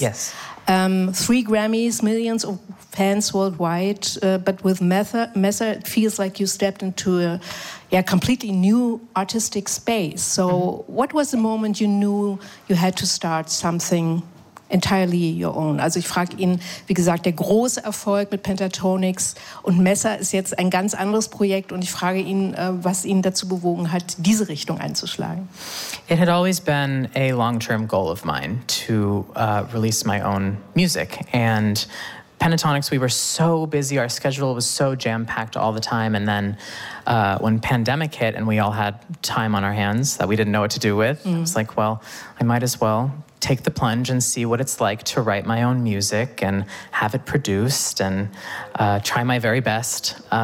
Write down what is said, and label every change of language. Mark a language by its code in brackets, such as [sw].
[en] Yes. 3 Grammys, millions of fans worldwide, but with Messer, it feels like you stepped into a completely new artistic space. So, mm-hmm. What was the moment you knew you had to start something entirely your own. [de] Also ich frage ihn, wie gesagt, der große Erfolg mit Pentatonix und Messer ist jetzt ein ganz anderes Projekt und ich frage ihn, was ihn dazu bewogen hat, diese Richtung einzuschlagen. [en] It had always been a long-term goal of mine to release my own music and Pentatonix, we were so busy, our schedule was so jam-packed all the time, and then when pandemic hit and we all had time on our hands that we didn't know what to do with, I was like, well, I might as well take the plunge and see what it's like to write my own music and have it produced and try my very best.